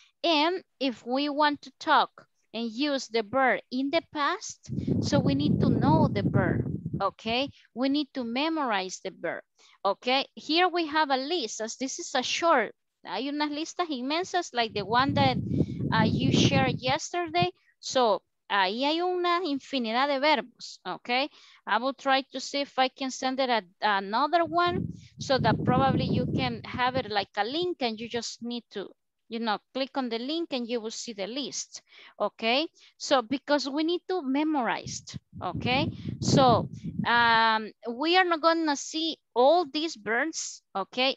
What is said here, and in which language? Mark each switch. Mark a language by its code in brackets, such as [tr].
[en] And if we want to talk and use the verb in the past, so we need to know the verb, okay? We need to memorize the verb, okay? Here we have a list, as this is a short, [es] hay unas listas inmensas, [en] like the one that you shared yesterday. [es] So ahí hay una infinidad de verbos, okay? [en] I will try to see if I can send it another one so that probably you can have it like a link and you just need to, you know, click on the link and you will see the list, okay? So because we need to memorize, okay? So we are not gonna see all these verbs, okay?